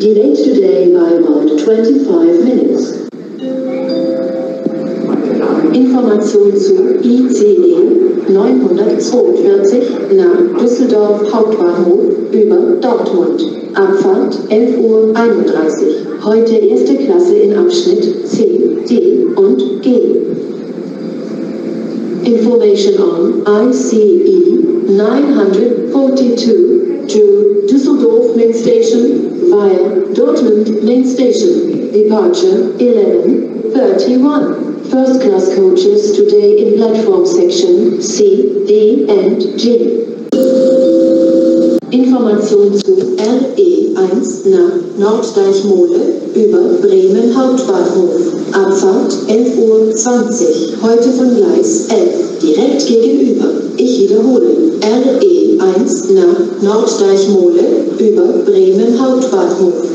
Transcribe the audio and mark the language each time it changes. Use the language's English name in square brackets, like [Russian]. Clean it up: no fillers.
[English] Delayed today by about 25 minutes. [German] Information zu ICE 942 nach Düsseldorf Hauptbahnhof über Dortmund. Abfahrt 11.31 Uhr. Heute erste Klasse in Abschnitt C, D und G. [English] Information on ICE 942 to Düsseldorf Main Station via Dortmund Main Station. Departure 11.31. First class coaches today in platform section C, D and G. [German] Information zu RE1 nach Norddeich-Mole über Bremen Hauptbahnhof. Abfahrt 11.20 Uhr. Heute von Gleis 11. Direkt gegenüber. Ich wiederhole. RE1 nach Norddeich-Mole über Bremen Hauptbahnhof.